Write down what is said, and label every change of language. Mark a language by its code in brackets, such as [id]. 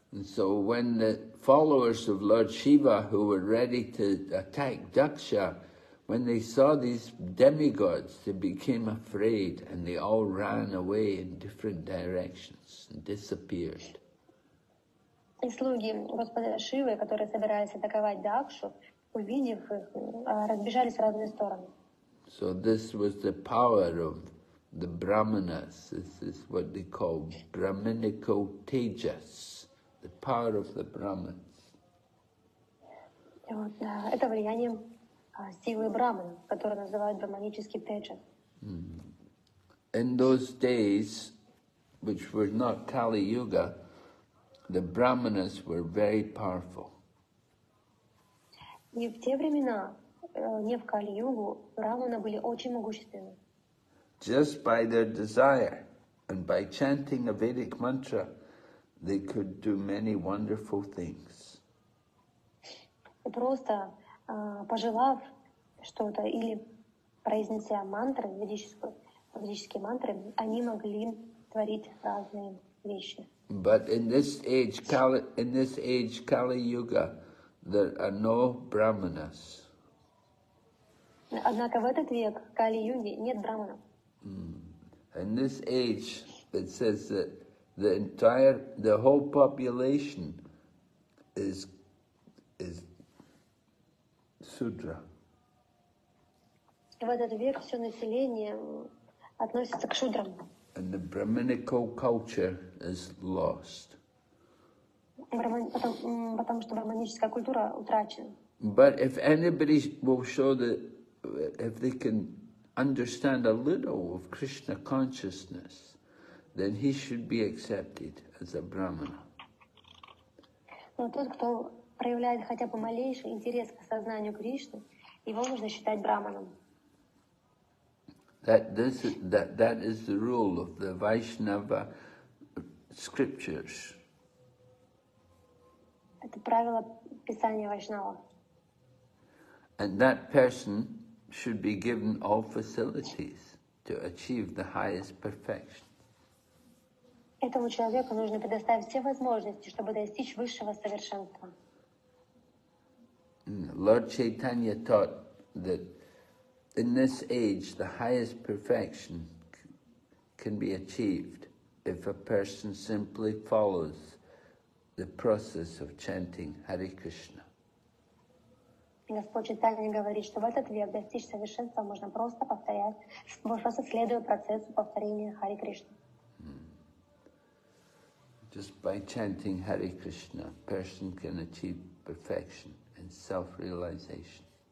[en] So when the followers of Lord Shiva, who were ready to attack Daksha, when they saw these demigods, they became afraid and they all ran away in different directions and disappeared. [ru] И слуги господа Шивы, которые собирались атаковать Дакшу, увидев их, разбежались в разные стороны. [en] So this was the power of the brahmanas. This is what they call brahminical tejas, the power of the brahmins. [ru] Это влияние силы брахман, которую называют брахманический теджа. [en] In those days, which were not Kali Yuga, the brahmanas were very powerful. [ru] И в те времена, не в Кали-Югу, брахманы были очень могущественны. [en] Just by their desire and by chanting a Vedic mantra, they could do many wonderful things. [ru] Просто пожелав что-то или произнеся мантры, ведические мантры, они могли творить разные вещи. [en] But in this age, Kali-Yuga, there are no brahmanas. [ru] Однако в этот век, Кали-Юге, нет брахманов. [en] In this age, it says that the whole population is sudra. [ru] В этот век все население относится к шудрам. [en] And the brahminical culture is lost. [ru] Потому что брахманическая культура утрачена. [en] But if anybody will show that, if they can understand a little of Krishna consciousness, then he should be accepted as a brahmana. [ru] Но тот, кто проявляет хотя бы малейший интерес к сознанию Кришны, его можно считать брахманом. [en] That is the rule of the Vaishnava scriptures. [ru] Это правило писания Вайшнава. [en] And that person should be given all facilities to achieve the highest perfection. [ru] Этому человеку нужно предоставить все возможности, чтобы достичь высшего совершенства. [en] Lord Chaitanya taught that in this age, the highest perfection can be achieved if a person simply follows the process of chanting Hare Krishna. [ru] Господь Чайтанья говорит, что в этот век достичь совершенства можно просто просто следуя процессу повторения Hare Krishna. [en] Just by chanting Hare Krishna, person can achieve perfection and self-realization.